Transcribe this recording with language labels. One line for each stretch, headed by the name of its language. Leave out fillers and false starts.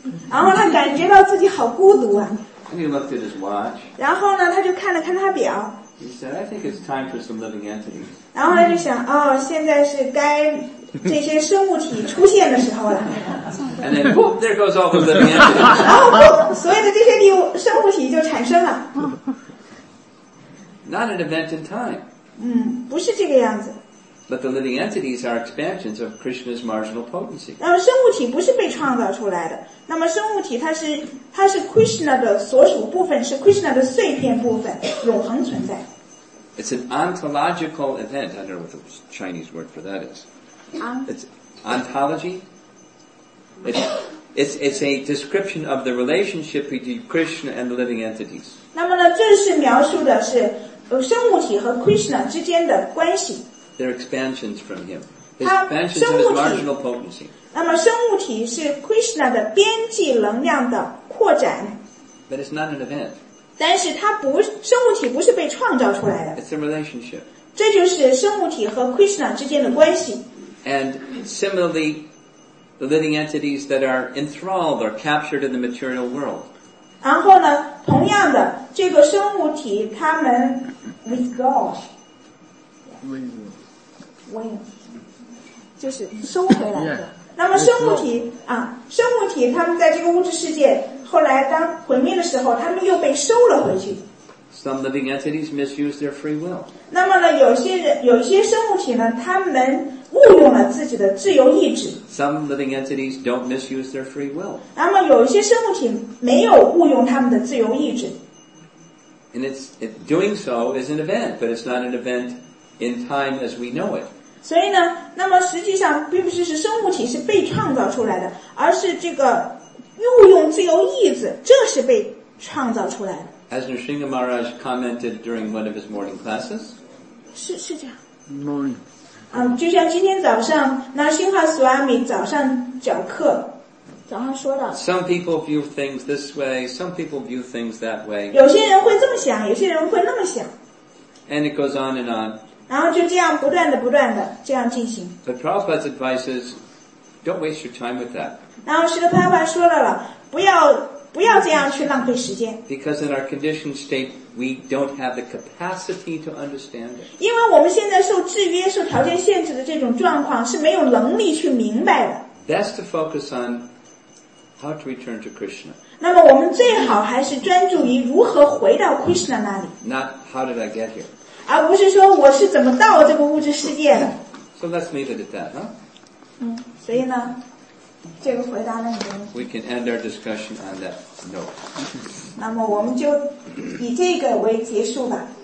Chinese: 然后他感觉到自己好孤独啊。
English: And he looked at his watch.
Chinese: 然后呢他就看了看他表。
English: He said, I think it's time for some living entities.
Chinese: 然后他就想哦现在是该这些生物体出现的时候了。
English: And then, whoop, there goes all the living entities.
Chinese: 然后whoop, 所有的这些生物体就产生了。
English: Not an event in time.
Chinese: 嗯不是这个样子。
English: But the living entities are expansions of Krishna's marginal potency.
Chinese: 那么生物体不是被创造出来的。那么生物体它是 Krishna 的所属部分是 Krishna 的碎片部分永恒存在。
English: It's an ontological event. I don't know what the Chinese word for that is. It's ontology. It's a description of the relationship between Krishna and the living entities.
Chinese: 那么呢这是描述的是生物体和 Krishna 之间的关系。
English: They're expansions from him. His expansions of his marginal potency.
Chinese: 那么生物体是 Krishna 的边际能量的扩展。
English: But it's not an event.
Chinese: 但是它不生物体不是被创造出来的。
English: It's a relationship.
Chinese: 这就是生物体和 Krishna 之间的关系。
English: And similarly, the living entities that are enthralled or captured in the material world.
Chinese: 然后呢，同样的，这个生物体它们
English: withdraw。 wing
Chinese: 就是收回来的。那么生物体啊，生物体他们在这个物质世界后来当毁灭的时候，他们又被收了回去。
English: Some living entities misuse their free will.
Chinese: 那么呢，有些生物体呢，他们误用了自己的自由意志。
English: Some living entities don't misuse their free will.
Chinese: 那么有一些生物体没有误用他们的自由意志。
English: And doing so is an event, but it's not an event. In time as we know it.
Chinese: 所以呢，那么实际上并不是是生物体是被创造出来的，而是这个运用自由意志，这是被创造出来的。
English: As Nrsimha Maharaj commented during one of his morning classes.
Chinese: 是这样。
English: Morning.
Chinese: 啊，就像今天早上Nrsimha Swami早上讲课，早上说到。
English: Some people view things this way. Some people view things that way.
Chinese: 有些人会这么想，有些人会那么想。
English: And it goes on and on.
Chinese: 然后就这样不断的不断的这样进行。
English: But Prabhupada's advice is, don't waste your time with that.
Chinese: 然后Srila Prabhupada说了不要这样去浪费时间。
English: Because in our conditioned state, we don't have the capacity to understand it.
Chinese: 因为我们现在受制约、受条件限制的这种状况是没有能力去明白的。
English: Best to focus on how to return to Krishna.
Chinese: 那么我们最好还是专注于如何回到 Krishna 那里。
English: Not how did I get here.
Chinese: 而不是说我是怎么到这个物质世界的。
English: So let's leave it at that, huh?
Chinese: 嗯，所以呢，这个回答呢，你们。
English: We can end our discussion on that note.
Chinese: 那么我们就以这个为结束吧。